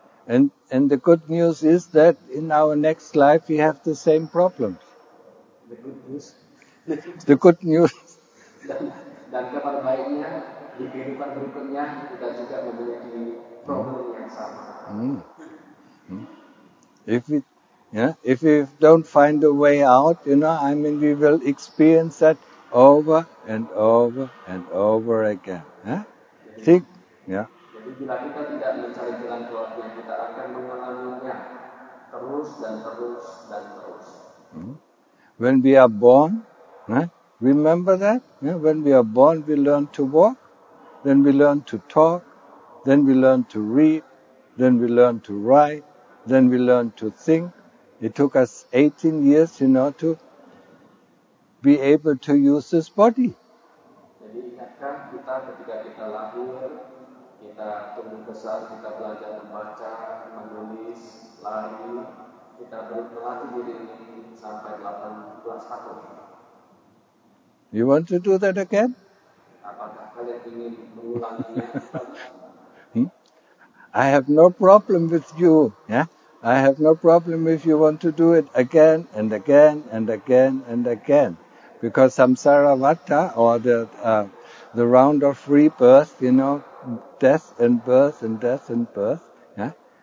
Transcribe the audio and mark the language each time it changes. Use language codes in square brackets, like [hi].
[en] And the good news is that in our next life we have the same problems. The good news? The good news. [id] Dan di kehidupan berikutnya kita juga memiliki problem yang sama. Mm. [en] If we don't find a way out, you know, I mean, we will experience that over and over and over again. Think, yeah. [id] Jadi bila kita tidak mencari jalan keluarnya, kita akan mengalaminya terus dan terus dan terus. Mm. [en] When we are born, remember that? Yeah? When we are born, we learn to walk, then we learn to talk, then we learn to read, then we learn to write, then we learn to think. It took us 18 years, you know, to be able to use this body. [id] Jadi ingatkan kita ketika kita lahir, kita tumbuh besar, kita belajar membaca, menulis, lari, kita berlatih diri sampai 18 tahun. [en] You want to do that again? [id] Apakah kalian ingin mengulanginya? [en] I have no problem with you, yeah? I have no problem if you want to do it again and again and again and again. Because samsaravatta, or the round of rebirth, you know, death and birth and death and birth, yeah?